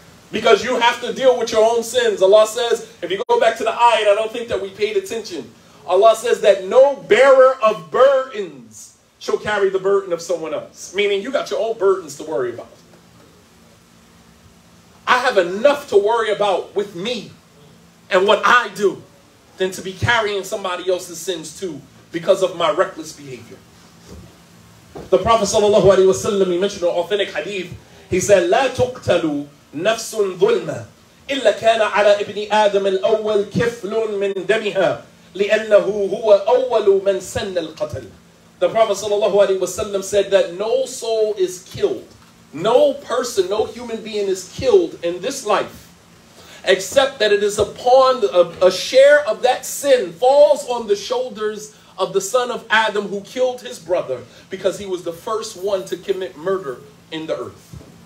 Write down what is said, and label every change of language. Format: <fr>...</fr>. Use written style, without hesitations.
<en>Because you have to deal with your own sins. Allah says, if you go back to the ayah, and I don't think that we paid attention, Allah says that no bearer of burdens shall carry the burden of someone else. Meaning you got your own burdens to worry about. I have enough to worry about with me and what I do than to be carrying somebody else's sins too because of my reckless behavior. The Prophet sallallahu alaihi wasallam, he mentioned an authentic hadith. He said,</en> <ar>لا تقتلوا نفس ظلمة إلا كان على ابن آدم الأول كفل من دمها لأنه هو أول من سن القتل.</ar> <en>The Prophet sallallahu alaihi wasallam said that no soul is killed, no person, no human being is killed in this life, except that it is upon a share of that sin falls on the shoulders of the son of Adam who killed his brother because he was the first one to commit murder in the earth.</en>